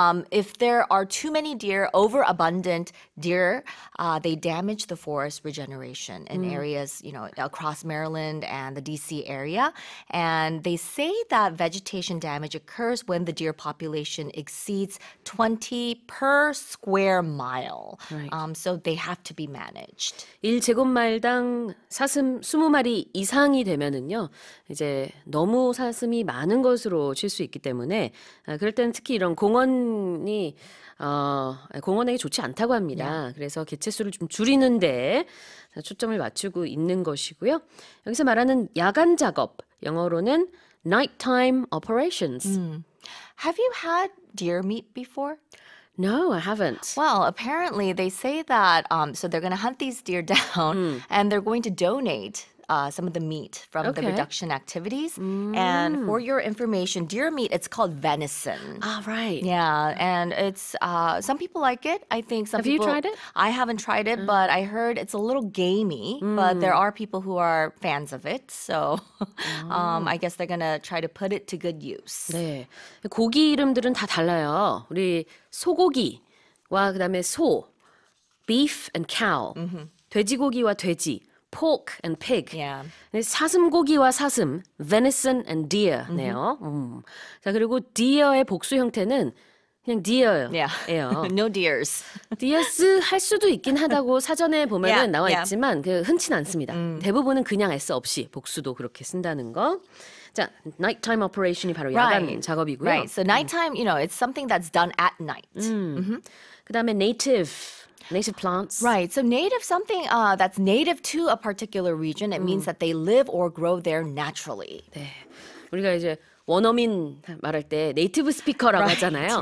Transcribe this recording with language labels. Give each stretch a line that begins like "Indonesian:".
English: If there are too many deer, overabundant deer, they damage the forest regeneration in areas, you know, across Maryland and the D.C. area. And they say that vegetation damage occurs when the deer population exceeds 20 per square mile. Right. So they have to be managed.
Korean: 1제곱마일당 사슴 20마리 이상이 되면은요, 이제 너무 사슴이 많은 것으로 칠 수 있기 때문에 그럴 땐 특히 이런 공원이 공원에게 좋지 않다고 합니다. Yeah. 그래서 개체수를 좀 줄이는데 초점을 맞추고 있는 것이고요. 여기서 말하는 야간 작업, 영어로는 nighttime operations.
English: Have you had deer meat before? No, I haven't. Well, apparently they say that so they're going to hunt these deer down and they're going to donate some of the meat from the reduction activities. And for your information, deer meat, it's called venison. Ah, right. Yeah, and it's, some people like it, I think. Have you tried it? I haven't tried it, but I heard it's a little gamey, but there are people who are fans of it, so I guess they're going to try to put it to good use.
Korean: 네, 고기 이름들은 다 달라요. 우리 소고기와 그다음에 소,
English: beef and cow,
Korean: 돼지고기와 돼지,
English: pork and pig.
Korean: Yeah. 사슴고기와 사슴,
English: venison and deer
Korean: 네요. 자, 그리고 deer의 복수 형태는 그냥 deer예요.
English: Yeah. No deers.
Korean: Deers 할 수도 있긴 하다고 사전에 보면은 나와 있지만 그 흔치 않습니다. 대부분은 그냥 s 없이 복수도 그렇게 쓴다는 거. 자, nighttime operation이 바로 야간 작업이고요.
English: Right. So nighttime, you know, it's something that's done at night.
Korean: 그다음에 native plants.
English: Right. So native, something that's native to a particular region, it means that they live or grow there naturally.
Korean: 네. 우리가 이제 원어민 말할 때 native speaker라고 하잖아요.